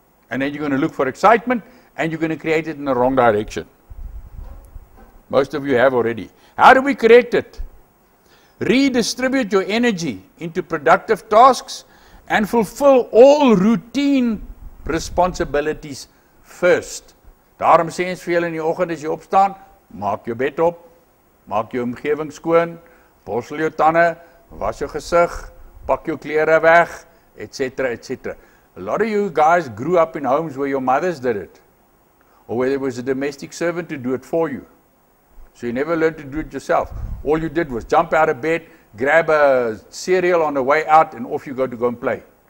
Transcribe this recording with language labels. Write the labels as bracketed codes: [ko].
[en] And then you're going to look for excitement, and you're going to create it in the wrong direction. Most of you have already. How do we correct it? Redistribute your energy into productive tasks and fulfill all routine responsibilities first. [af] Daarom sê ons vir julle in die oggend as jy opstaan, maak jou bed op, maak jou omgewing skoon, borsel jou tande, was jou gesig, pak jou klere weg, etc. etc. [en] A lot of you guys grew up in homes where your mothers did it, or where there was a domestic servant to do it for you. So you never learned to do it yourself. All you did was jump out of bed, grab a cereal on the way out, and off you go to go and play.